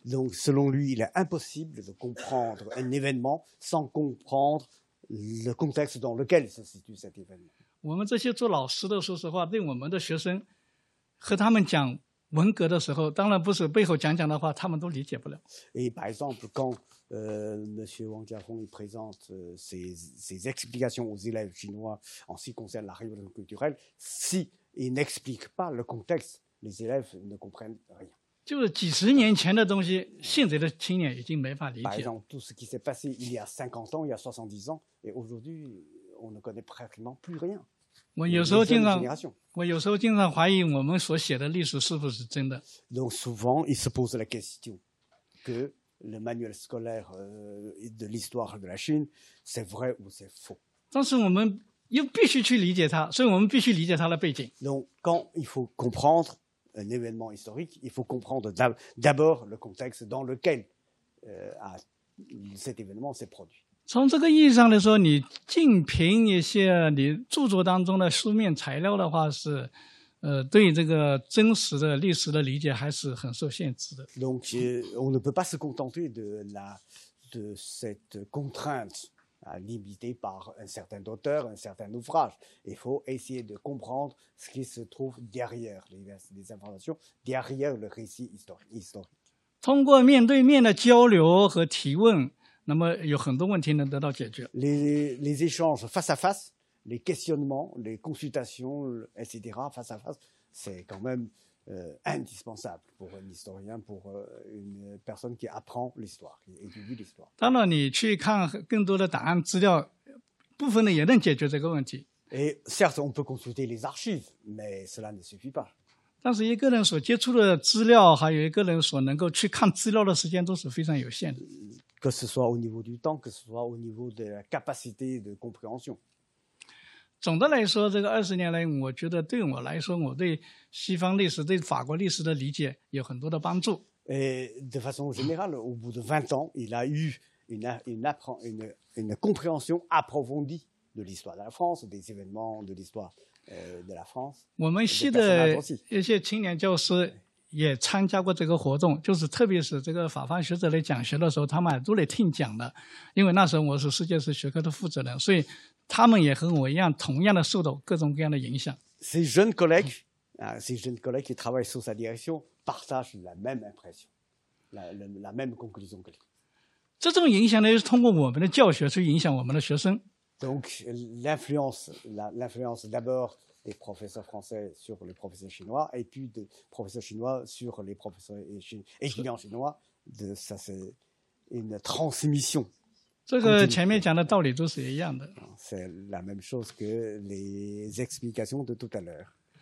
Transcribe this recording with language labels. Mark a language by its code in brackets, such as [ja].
[fr] Donc, selon lui, il est impossible de comprendre un événement sans comprendre le contexte dans lequel se situe cet événement. [zh] 我们这些做老师的，说实话，对我们的学生和他们讲文革的时候，当然不是背后讲讲的话，他们都理解不了。 [fr] Et par exemple, quand Monsieur Wang Jiafeng présente ses explications aux élèves chinois en ce qui concerne la révolution culturelle, si il n'explique pas le contexte, les élèves ne comprennent rien. [zh] 就是几十年前的东西，现在的青年已经没法理解。 [fr] Par exemple, tout ce qui s'est passé il y a 50 ans, il y a 70 ans, et aujourd'hui, on ne connaît pratiquement plus rien. [zh] 我有时候经常怀疑我们所写的历史是不是真的。 [fr] Donc souvent, il se pose la question que le manuel scolaire de l'histoire de la Chine, c'est vrai ou c'est faux. [zh] 但是我们又必须去理解它，所以我们必须理解它的背景。 [fr] Donc quand il faut comprendre un événement historique, il faut comprendre d'abord le contexte dans lequel cet événement s'est produit. [zh] 从这个意义上来说，你竞评一些你著作当中的书面材料的话，是，对这个真实的历史的理解还是很受限制的。 [fr] Donc, on ne peut pas se contenter de cette contrainte limitée par un certain auteur, un certain ouvrage. Il faut essayer de comprendre ce qui se trouve derrière les informations, derrière le récit historique. [zh] 通过面对面的交流和提问。那么有很多问题能得到解决。 [fr] Les échanges face à face, les questionnements, les consultations, etc. face à face, c'est quand même indispensable pour un historien, pour une personne qui apprend l'histoire, qui étudie l'histoire. [zh] 当然，你去看更多的档案资料，部分的也能解决这个问题。 [fr] Et certes, on peut consulter les archives, mais cela ne suffit pas. [zh] 但是一个人所接触的资料，还有一个人所能够去看资料的时间都是非常有限的。 [fr] Que ce soit au niveau du temps, que ce soit au niveau de la capacité de compréhension. [zh] 总的来说，这个二十年来，我觉得对我来说，我对西方历史、对法国历史的理解有很多的帮助。 [fr] Et de façon générale, au bout de 20 ans, il a eu une compréhension approfondie de l'histoire de la France, des événements de l'histoire.De la France, [zh] 我们系的一些青年教师也参加过这个活动，就是特别是这个法方学者来讲学的时候，他们都来听讲的。因为那时候我是世界史学科的负责人，所以他们也和我一样，同样的受到各种各样的影响。 [fr] Ces jeunes collègues, ces jeunes collègues qui travaillent sous sa direction partagent la même impression, la même conclusion que lui. [zh] 这种影响呢，是通过我们的教学去影响我们的学生。 [fr] Donc l'influence d'abord. Des professeurs français sur les professeurs chinois, et puis des professeurs chinois sur les professeurs étudiants chinois. De, ça, c'est une transmission. C'est la même chose que les explications de tout à l'heure.